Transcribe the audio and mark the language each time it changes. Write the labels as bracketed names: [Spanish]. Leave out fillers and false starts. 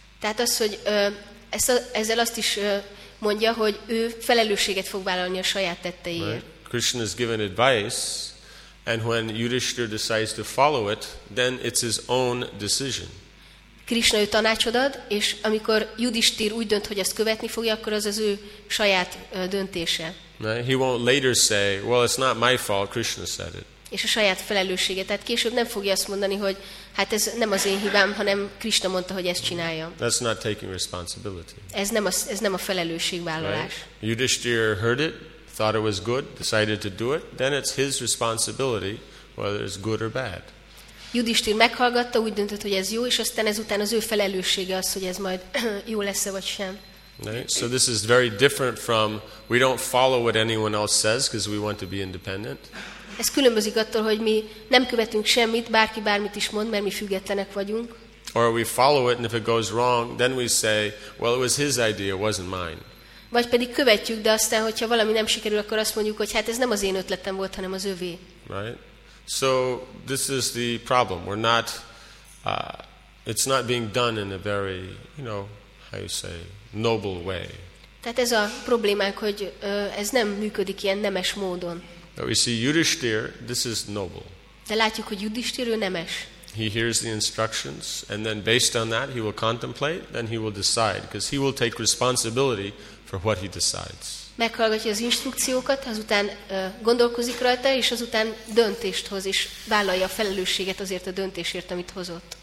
[Hungarian] Tehát az, hogy ezzel azt is mondja, hogy ő felelősséget fog vállalni a saját tetteiért. [English] Right? Krishna is given advice, and when Yudhishthira decides to follow it, then it's his own decision. [Hungarian] Krishna ő tanácsod ad, és amikor Yudhishthira úgy dönt, hogy ezt követni fogja, akkor az ő saját döntése. [English] Right? He won't later say, well, it's not my fault, Krishna said it. [Hungarian] És a saját felelőssége. Tehát később nem fogja azt mondani, hogy hát ez nem az én hibám, hanem Krishna mondta, hogy ezt csinálja. [English] That's not taking responsibility. [Hungarian] Ez nem a felelősségvállalás. [English] Right? Yudhishthira heard it, thought it was good, decided to do it, then it's his responsibility whether it's good or bad. [Hungarian] Yudhishthira meghallgatta, úgy döntött, hogy ez jó, és aztán ezután az ő felelőssége az, hogy ez majd jó lesz-e vagy sem. [English] Right? So this is very different from we don't follow what anyone else says because we want to be independent. [Hungarian] Ez különbözik attól, hogy mi nem követünk semmit, bárki bármit is mond, mert mi függetlenek vagyunk. [English] Or we follow it and if it goes wrong, then we say, well, it was his idea, it wasn't mine. [Hungarian] Vagy pedig követjük, de aztán, hogyha valami nem sikerül, akkor azt mondjuk, hogy hát ez nem az én ötletem volt, hanem az övé. [English] Right? So this is the problem. We're not it's not being done in a very, you know, how you say, noble way. [Hungarian] Tehát ez a problémánk, hogy ez nem működik ilyen nemes módon. [English] But we see Yudhishthir, this is noble. [Hungarian] De látjuk, hogy Yudhishthir, ő nemes. [English] He hears the instructions and then based on that he will contemplate, then he will decide, because he will take responsibility for what he decides. [Hungarian] Meghallgatja az instrukciókat, azután gondolkozik rajta, és azután döntést hoz, és vállalja a felelősséget azért a döntésért, amit hozott.